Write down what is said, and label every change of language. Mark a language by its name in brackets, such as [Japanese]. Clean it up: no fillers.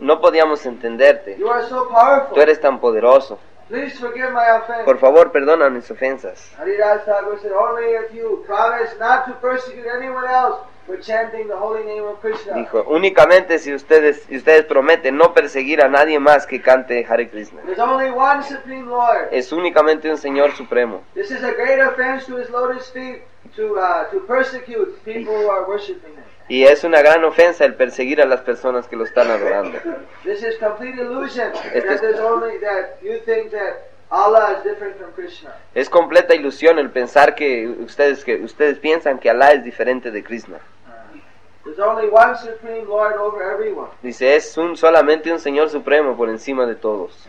[Spanish] No podíamos entenderte. [English] You are so powerful. [Spanish] Tú eres tan poderoso. [English] Please forgive my offense. [Spanish] Por favor, perdona mis ofensas. [English] Haridas Thakur said, only if you promise not to persecute anyone else for chanting the holy name of Krishna. [Spanish] Dijo, únicamente si ustedes prometen no perseguir a nadie más que cante Hare Krishna. [English] There's only one supreme Lord. [Spanish] Es únicamente un Señor supremo. [English] This is a great offense to his lotus feet to persecute people who are worshiping him. [Spanish] Y es una gran ofensa el perseguir a las personas que lo están adorando. [English] This is complete illusion. That you think that Allah is different from Krishna. [Spanish] Es completa ilusión el pensar que ustedes piensan que Allah es diferente de Krishna. [English] There's only one supreme Lord over everyone. [Spanish] Dice, es solamente un Señor supremo por encima de todos.